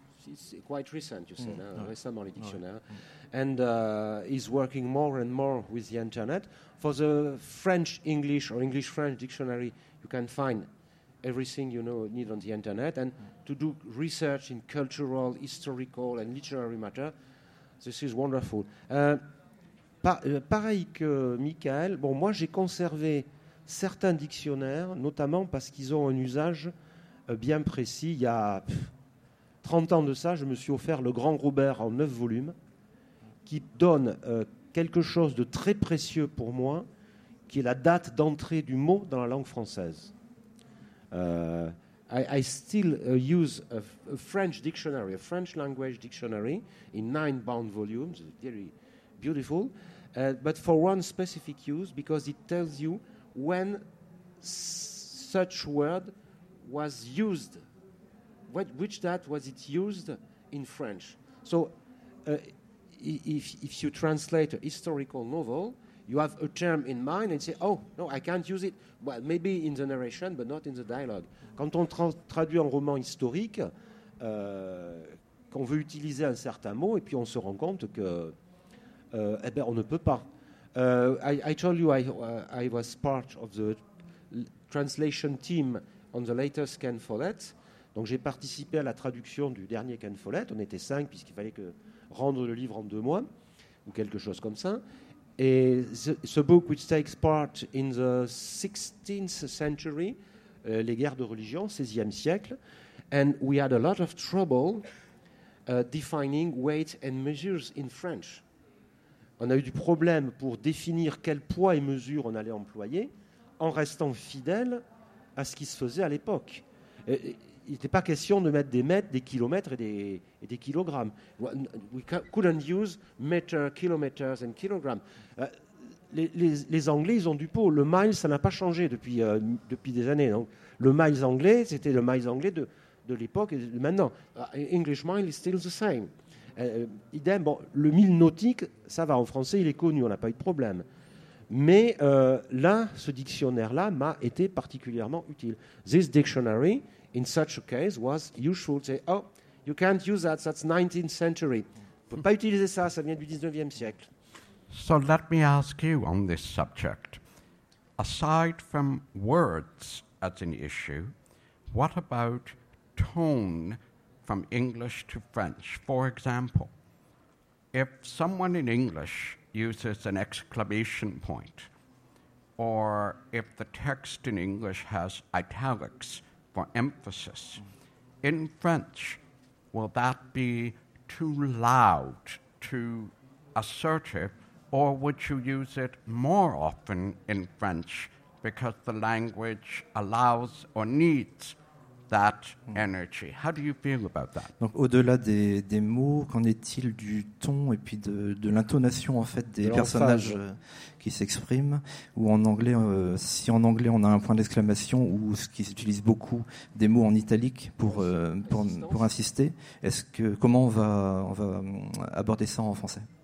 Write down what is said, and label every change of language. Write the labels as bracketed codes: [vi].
[en] It's quite recent, you say, [fr] récemment, les dictionnaires. [en] And he's working more and more with the Internet. For the French-English or English-French dictionary, you can find everything you know need on the Internet. And to do research in cultural, historical and literary matter, this is wonderful. [fr] Pareil que Michael, bon, moi, j'ai conservé certains dictionnaires, notamment parce qu'ils ont un usage bien précis. Il y a 30 ans de ça, je me suis offert le Grand Robert en 9 volumes, qui donne quelque chose de très précieux pour moi, qui est la date d'entrée du mot dans la langue française. [en] I still use a French dictionary, a French language dictionary in 9 bound volumes, very beautiful, but for one specific use, because it tells you when such word was used, which that was it used in French. So if you translate a historical novel, you have a term in mind and say, oh, no, I can't use it. Well, maybe in the narration, but not in the dialogue. [fr] Quand on traduit un roman historique, qu'on veut utiliser un certain mot, et puis on se rend compte que, on ne peut pas. [en] I told you I was part of the translation team on the latest Ken Follett. [fr] Donc j'ai participé à la traduction du dernier Ken Follett. On était 5, puisqu'il fallait que rendre le livre en 2 mois, ou quelque chose comme ça. Et ce [en] book which takes part in the 16th century, [fr] les guerres de religion, 16e siècle, [en] and we had a lot of trouble defining weight and measures in French. [fr] On a eu du problème pour définir quel poids et mesure on allait employer en restant fidèle à ce qui se faisait à l'époque. Il n'était pas question de mettre des mètres, des kilomètres et des kilogrammes. [en] We couldn't use meters, kilometers and kilograms. [fr] Les Anglais, ils ont du pot. Le miles, ça n'a pas changé depuis des années. Donc, le miles anglais, c'était le miles anglais de l'époque et de maintenant. [en] English mile is still the same. [fr] Idem, bon, le mille nautique, ça va. En français, il est connu, on n'a pas eu de problème. Mais là, ce dictionnaire-là m'a été particulièrement utile. [en] This dictionary, in such a case, was useful. Say, oh, You can't use that, that's 19th century. Mm. [fr] Pas utiliser ça, ça vient du 19e siècle. [en] So let me ask you on this subject. Aside from words as an issue, what about tone from English to French? For example, if someone in English uses an exclamation point, or if the text in English has italics for emphasis, in French, will that be too loud, too assertive, or would you use it more often in French because the language allows or needs that energy? How do you feel about that? [fr] Donc, au-delà des mots, qu'en est-il du ton et puis de l'intonation en fait des personnages qui s'expriment? Ou en anglais, si en anglais on a un point d'exclamation ou ce qui s'utilise beaucoup, des mots en italique pour insister, est-ce que comment on va aborder ça en français?